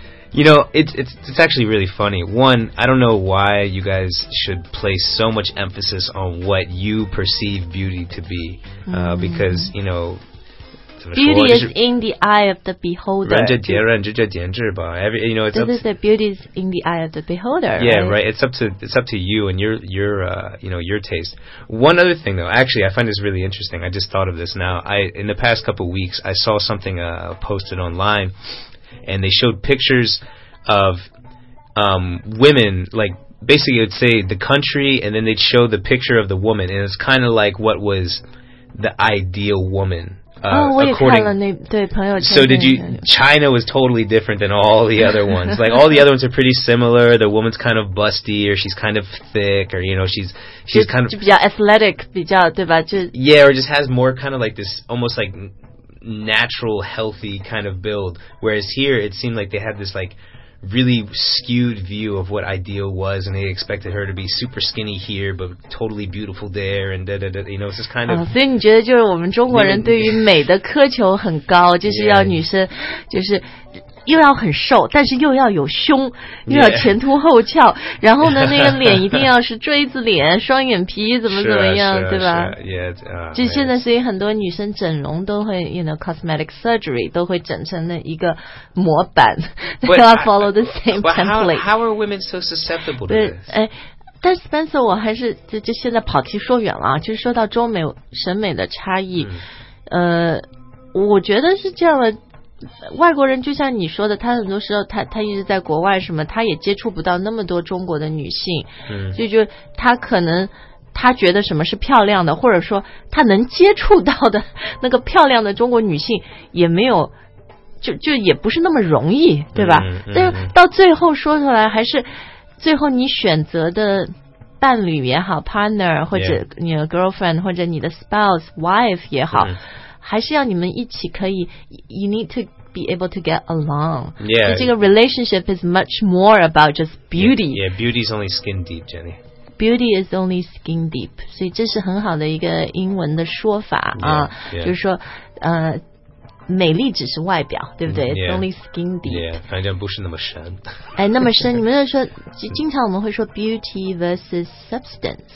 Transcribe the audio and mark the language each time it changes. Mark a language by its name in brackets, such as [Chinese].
[English] You know, it's actually really funny. One, I don't know why you guys should place so much emphasis on what you perceive beauty to be. Because, you know... Beauty is in the eye of the beholder. [Chinese] 人家节人就叫颜值吧 [English] Every, you know, it's up to... This is beauty is in the eye of the beholder. Yeah, right? Right. It's up to you and your taste. One other thing, though. Actually, I find this really interesting. I just thought of this now. In the past couple of weeks, I saw something posted online... And they showed pictures of women, like, basically it would say the country, and then they'd show the picture of the woman. And it's kind of like what was the ideal woman. So did you, China was totally different than all the other ones. Like, all the other ones are pretty similar. The woman's kind of busty, or she's kind of thick, or, you know, she's kind of... [Chinese] 就比较 athletic, 比较对吧就 [English] Yeah, or just has more kind of like this, almost like... natural healthy kind of build whereas here it seemed like they had this like really skewed view of what ideal was and they expected her to be super skinny here but totally beautiful there and da da da you know it's just kind of [Chinese] 所以你觉得就是我们中国人对于美的苛求很高就是要女生就是又要很瘦但是又要有胸又要前凸后翘、 [English] yeah. [Chinese] 然后呢那个脸一定要是锥子脸双眼皮怎么样 [English] sure, [Chinese] 对吧 [English] sure, sure. Yeah,、 [Chinese] 就现在所以很多女生整容都会 [English] you know cosmetic surgery [Chinese] 都会整成了一个模板 [English] but, follow the same template how are women so susceptible to this [Chinese] 但 Spencer 我还是 就现在跑题说远了就是说到中美审美的差异、我觉得是这样的外国人就像你说的他很多时候他一直在国外什么他也接触不到那么多中国的女性、嗯、就他可能他觉得什么是漂亮的或者说他能接触到的那个漂亮的中国女性也没有就也不是那么容易对吧、嗯嗯、但是到最后说出来还是最后你选择的伴侣也好 partner 或者你的 girlfriend 或者你的 spouse wife 也好、嗯还是要你们一起可以 [English] you need to be able to get along yeah 这个 relationship is much more about just beauty yeah beauty is only skin deep Jenny beauty is only skin deep [Chinese] 所以这是很好的一个英文的说法啊 [English] yeah, yeah. [Chinese] 就是说美丽只是外表对不对 [English] yeah, it's only skin deep [Chinese] yeah 反正不是那么深哎那么深你们就说经常我们会说 [English] beauty versus substance